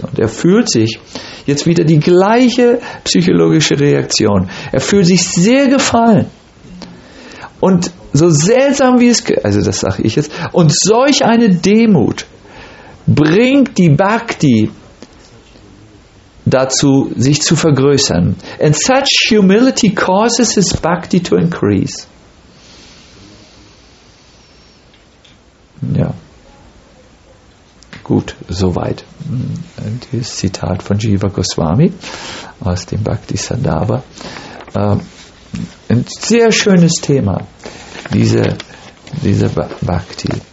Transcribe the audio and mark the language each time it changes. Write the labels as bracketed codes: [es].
[de] Und er fühlt sich, jetzt wieder die gleiche psychologische Reaktion, er fühlt sich sehr gefallen. Und so seltsam wie es, also das sage ich jetzt, und solch eine Demut bringt die Bhakti dazu, sich zu vergrößern. [en] And such humility causes his Bhakti to increase. [de] Ja, gut, soweit dieses Zitat von Jiva Goswami aus dem Bhaktisandhava. Ein sehr schönes Thema, diese Bhakti.